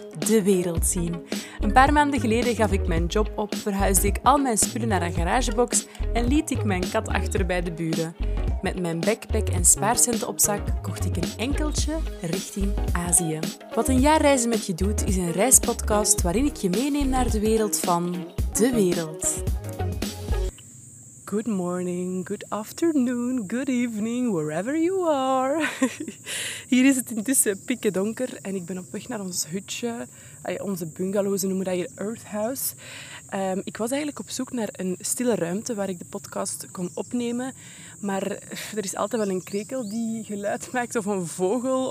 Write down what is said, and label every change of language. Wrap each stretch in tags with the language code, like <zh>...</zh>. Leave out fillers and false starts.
<nl>De wereld zien. Een paar maanden geleden gaf ik mijn job op, verhuisde ik al mijn spullen naar een garagebox en liet ik mijn kat achter bij de buren. Met mijn backpack en spaarcenten op zak kocht ik een enkeltje richting Azië. Wat een jaar reizen met je doet, is een reispodcast waarin ik je meeneem naar de wereld van de wereld.</nl> <en>Good morning, good afternoon, good evening, wherever you are.</en> <nl>Hier is het intussen pikken donker en ik ben op weg naar ons hutje. Onze bungalow, ze noemen dat hier Earth House. Ik was eigenlijk op zoek naar een stille ruimte waar ik de podcast kon opnemen. Maar er is altijd wel een krekel die geluid maakt of een vogel.</nl>